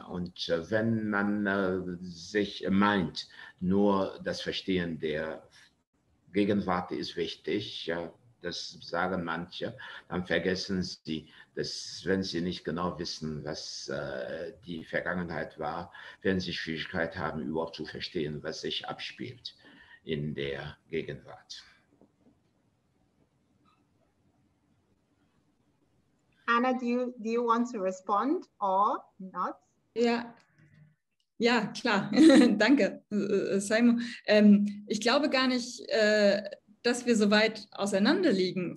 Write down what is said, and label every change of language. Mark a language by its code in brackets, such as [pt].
[de] Und wenn man sich meint, nur das Verstehen der Gegenwart ist wichtig, das sagen manche, dann vergessen sie, dass wenn sie nicht genau wissen, was die Vergangenheit war, werden sie Schwierigkeit haben, überhaupt zu verstehen, was sich abspielt in der Gegenwart. [en] Anna, do you want to respond or not? [de] Ja, klar. Danke, Simon. Ich glaube gar nicht, dass wir so weit auseinander liegen.